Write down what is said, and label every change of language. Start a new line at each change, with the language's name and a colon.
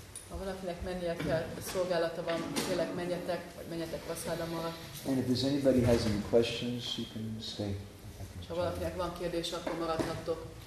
Hungarian: Ha valakinek mennie kell, szolgálata van, kérlek, menjetek, vagy menjetek a szállam alatt.
English: And if there's anybody has any questions, you can stay.
Hungarian: Ha valakinek van kérdés, akkor maradhattok.